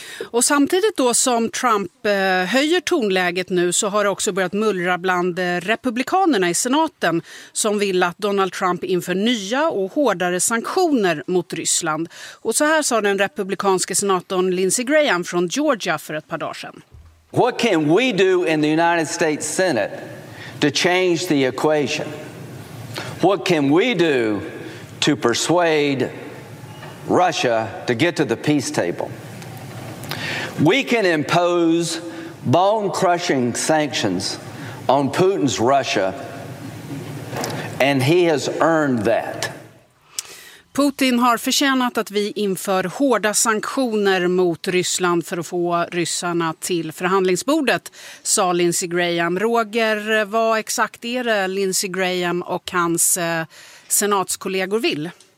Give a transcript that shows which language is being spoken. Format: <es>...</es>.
<sv>Och samtidigt då som Trump höjer tonläget nu, så har det också börjat mullra bland republikanerna i senaten som vill att Donald Trump inför nya och hårdare sanktioner mot Ryssland. Och så här sa den republikanske senatorn Lindsey Graham från Georgia för ett par dagar sedan.</sv> <en>What can we do in the United States Senate to change the equation? What can we do to persuade Russia to get to the peace table? We can impose bone-crushing sanctions on Putin's Russia, and he has earned that.</en> <sv>Putin har förtjänat att vi inför hårda sanktioner mot Ryssland för att få ryssarna till förhandlingsbordet, sa Lindsey Graham. Roger, vad exakt är det Lindsey Graham och hans senatskollegor vill?</sv>